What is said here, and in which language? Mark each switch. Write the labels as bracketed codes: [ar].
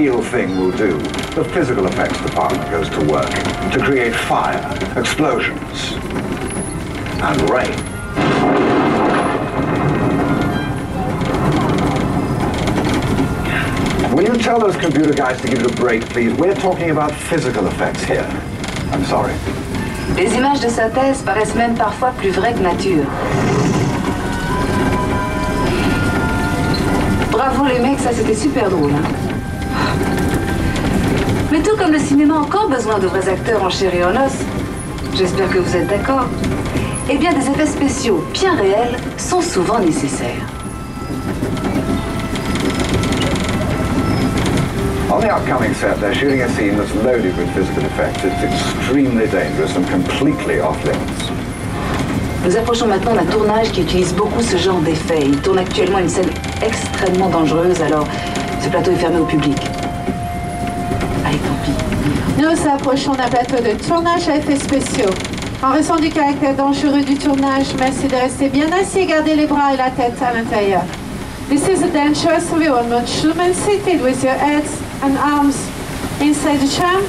[en] Thing will do, the physical effects department goes to work to create fire, explosions, and rain. Will you tell those computer guys to give it a break, please? We're talking about physical effects here. I'm sorry. [fr] Les images de synthèse paraissent même parfois plus vraies que nature. Bravo les mecs, ça c'était super drôle, hein? Mais tout comme le cinéma a encore besoin de vrais acteurs en chair et en os, j'espère que vous êtes d'accord, eh bien des effets spéciaux bien réels sont souvent nécessaires. [en] On the upcoming set, they're shooting a scene that's loaded with physical effects. It's extremely dangerous and completely off limits. [fr] Nous approchons maintenant d'un tournage qui utilise beaucoup ce genre d'effets. Il tourne actuellement une scène extrêmement dangereuse, alors ce plateau est fermé au public. Nous approchons d'un plateau de tournage à effets spéciaux. En raison du caractère dangereux du tournage, merci de rester bien assis et garder les bras et la tête à l'intérieur. [en] This is a dangerous view on the human seated with your heads and arms inside the tram.